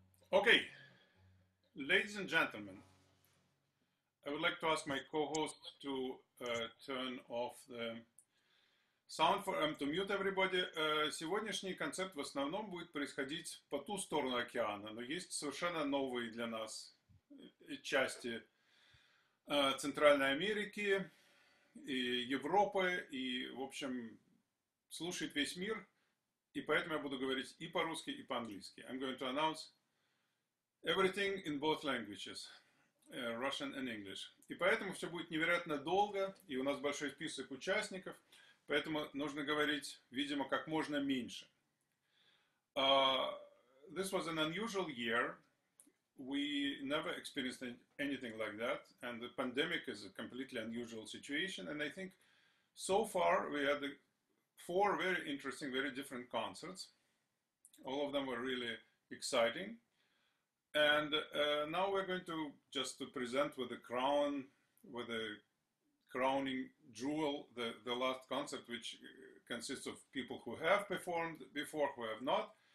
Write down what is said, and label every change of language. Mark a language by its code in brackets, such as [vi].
[en] Okay, ladies and gentlemen, I would like to ask my co-host to turn off the sound for to mute everybody. [ru] Сегодняшний концерт в основном будет происходить по ту сторону океана, но есть совершенно новые для нас части Центральной Америки и Европы, и, в общем, слушает весь мир, и поэтому я буду говорить и по-русски, и по-английски. [en] I'm going to announce everything in both languages, Russian and English. [ru] И поэтому все будет невероятно долго, и у нас большой список участников, поэтому нужно говорить, видимо, как можно меньше. [en] This was an unusual year. We never experienced anything like that, and the pandemic is a completely unusual situation, and I think so far we had four very interesting, very different concerts. All of them were really exciting. And now we're going to just to present with the crown, with the crowning jewel, the last concert, which consists of people who have performed before, who have not.